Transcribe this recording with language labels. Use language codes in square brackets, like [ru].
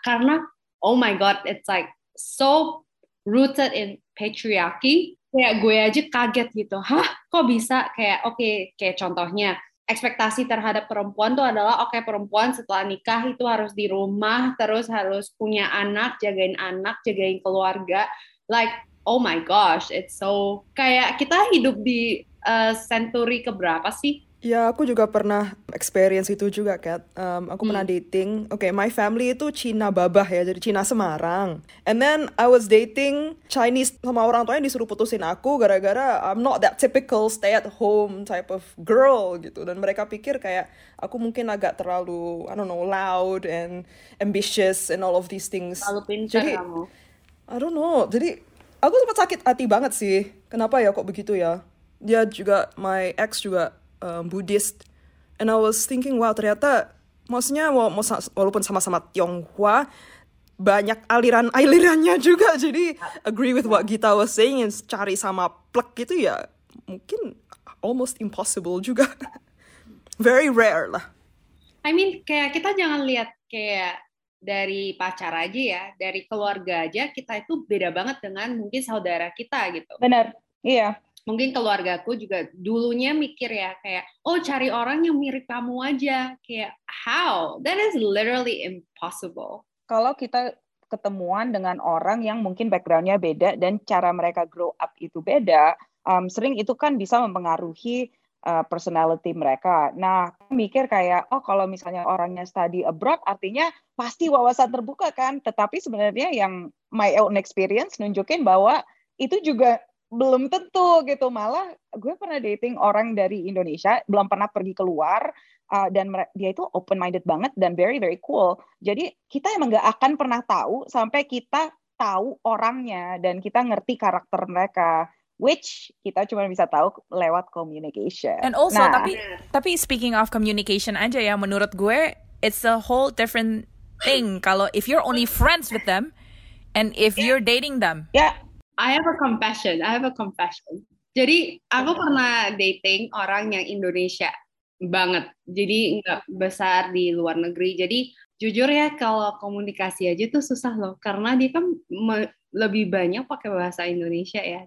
[en] Karena, oh my God, it's like so rooted in patriarchy. [id] Kayak gue aja kaget gitu, hah kok bisa? Kayak kayak contohnya, ekspektasi terhadap perempuan tuh adalah okay, perempuan setelah nikah itu harus di rumah, terus harus punya anak, jagain keluarga. [en] Like, oh my gosh, it's so, [id] kayak kita hidup di century keberapa sih? Ya, aku juga pernah experience itu juga, Kat. Aku pernah dating. [en] My family [id] itu Cina babah ya, jadi Cina Semarang. [en] And then I was dating Chinese, [id] sama orang tuanya disuruh putusin aku gara-gara [en] I'm not that typical stay at home type of girl gitu. [id] Dan mereka pikir kayak aku mungkin agak terlalu, [en] I don't know, loud and ambitious and all of these things. [id] Terlalu pintar jadi, kamu. [en] I don't know. [id] Jadi aku sempat sakit hati banget sih. Kenapa ya kok begitu ya? Dia juga, my ex juga Buddhist, [en] and I was thinking, wow, [id] ternyata maksudnya walaupun sama-sama Tionghoa, banyak aliran-alirannya juga. Jadi [en] agree with what Gita was saying, [id] and cari sama plek gitu ya, mungkin [en] almost impossible [id] juga. [en] Very rare lah. I mean, [id] kayak kita jangan lihat kayak dari pacar aja ya, dari keluarga aja, kita itu beda banget dengan mungkin saudara kita gitu. Benar, iya. Yeah. Mungkin keluargaku juga dulunya mikir ya kayak, oh cari orang yang mirip kamu aja. [en] Kayak, how? That is literally impossible. [id] Kalau kita ketemuan dengan orang yang mungkin background-nya beda dan cara mereka grow up itu beda, sering itu kan bisa mempengaruhi personality mereka. Nah, mikir kayak, oh kalau misalnya orangnya study abroad, artinya pasti wawasan terbuka kan? Tetapi sebenarnya yang [en] my own experience [id] nunjukin bahwa itu juga belum tentu gitu. Malah gue pernah dating orang dari Indonesia, belum pernah pergi keluar, dan dia itu open-minded banget dan [en] very very cool. [id] Jadi kita emang gak akan pernah tahu sampai kita tahu orangnya dan kita ngerti karakter mereka, which kita cuma bisa tahu lewat communication. [en] And also tapi speaking of communication aja ya, [id] menurut gue [en] it's a whole different thing kalau if you're only friends with them and if you're dating them. Yeah. I have a confession. [id] Jadi aku pernah dating orang yang Indonesia banget. Jadi nggak besar di luar negeri. Jadi jujur ya, kalau komunikasi aja tuh susah loh. Karena dia kan lebih banyak pakai bahasa Indonesia ya.